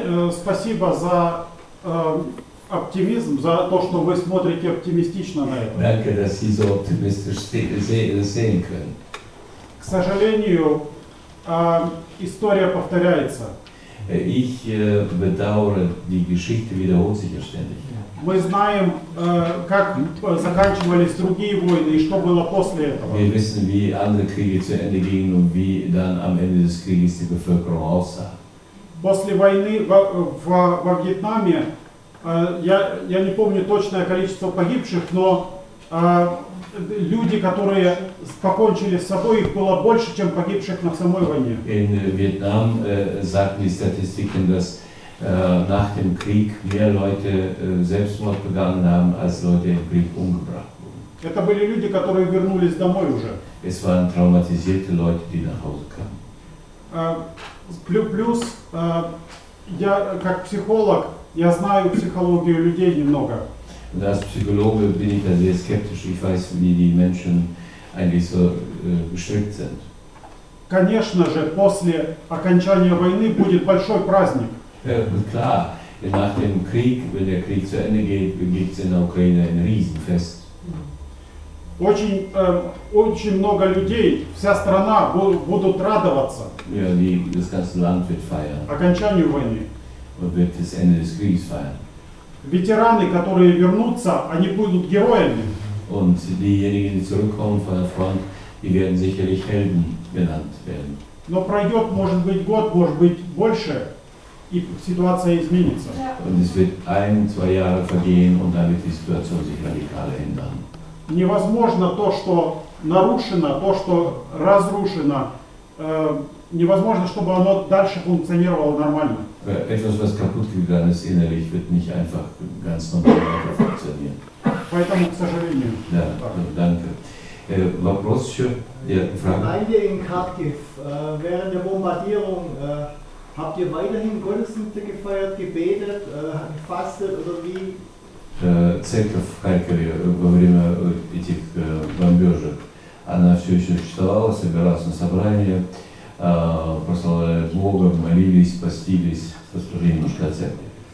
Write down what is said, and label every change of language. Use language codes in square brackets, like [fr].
[ru] Спасибо за оптимизм, за то, что вы смотрите оптимистично на это. [de] Danke, dass Sie so optimistisch sehen können. [ru] К сожалению, история повторяется. [de] Ich bedauere, die Geschichte wiederholt sich ja ständig. [ru] Мы знаем, как заканчивались другие войны и что было после этого. [de] Wir wissen, wie andere Kriege zu Ende gingen und wie dann am Ende des Krieges die Bevölkerung aussah. [ru] После войны во Вьетнаме, я не помню точное количество погибших, но люди, которые покончили с собой, их было больше, чем погибших на самой войне. [de] In Vietnam sagen die Statistiken, dass nach dem Krieg mehr Leute Selbstmord begangen haben, als Leute im Krieg umgebracht wurden. [ru] Это были люди, которые вернулись домой уже. [de] Es waren traumatisierte Leute, die nach Hause kamen. [ru] Плюс, я как психолог, я знаю психологию людей немного. [de] Als Psychologe bin ich da sehr skeptisch. Ich weiß, wie die Menschen eigentlich so gestrickt sind. [ru] Конечно же, после окончания войны будет большой праздник. [de] Klar, nach dem Krieg, wenn der Krieg zu Ende geht, gibt es in der Ukraine ein Riesenfest. [ru] Очень много людей, вся страна будут радоваться. [de] Ja, das ganze Land wird feiern. [ru] Окончанию войны. [de] Und wird das Ende des Krieges feiern. [ru] Ветераны, которые вернутся, они будут героями. [de] Und diejenigen, die zurückkommen von der Front, die werden sicherlich Helden genannt werden. [ru] Но пройдет, может быть, год, может быть, больше, и ситуация изменится. [de] Und es wird ein, zwei Jahre vergehen und dann wird die Situation sich radikal ändern. [ru] Невозможно то, что нарушено, то, что разрушено, невозможно, чтобы оно дальше функционировало нормально. [de] Etwas, was kaputt gegangen ist innerlich, wird nicht einfach ganz normal weiter funktionieren. [ru] Поэтому, к сожалению. Да, [de] danke. [ru] Вопрос еще? [de] Ja, Frage. Seid ihr in Kharkiv während der Bombardierung, habt ihr weiterhin Gottesdienste gefeiert, gebetet, gefastet oder wie? [ru] Церковь в Харькове во время этих бомбежек, она все еще существовала, собиралась на собрание, прославляли Бога, молились, постились, послужили немножко о церкви.